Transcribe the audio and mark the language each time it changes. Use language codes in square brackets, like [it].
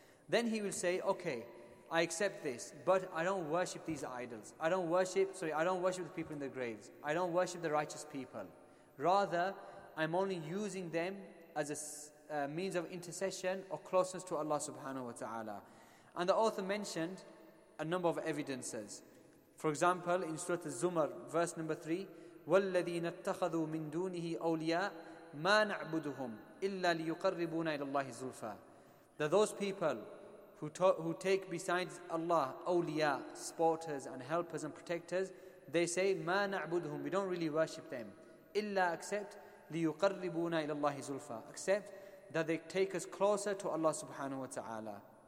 [en] Then he will say, okay, I accept this, but I don't worship these idols. I don't worship the people in the graves. I don't worship the righteous people. Rather, I'm only using them as a means of intercession or closeness to Allah subhanahu wa ta'ala. And the author mentioned a number of evidences. For example, in Surah Az-Zumar, verse number 3, [ar] وَالَّذِينَ اتَّخَذُوا مِن دُونِهِ أَوْلِيَاءَ مَا نَعْبُدُهُمْ إِلَّا لِيُقَرِّبُونَ إِلَى اللَّهِ زُلْفَى, [en] that those people who take besides Allah awliya, supporters and helpers and protectors, they say, [ar] ما نعبدهم, [en] we don't really worship them, إلا except [ar] ليقربونا إلى الله زلفا, [en] except that they take us closer to Allah subhanahu wa ta'ala.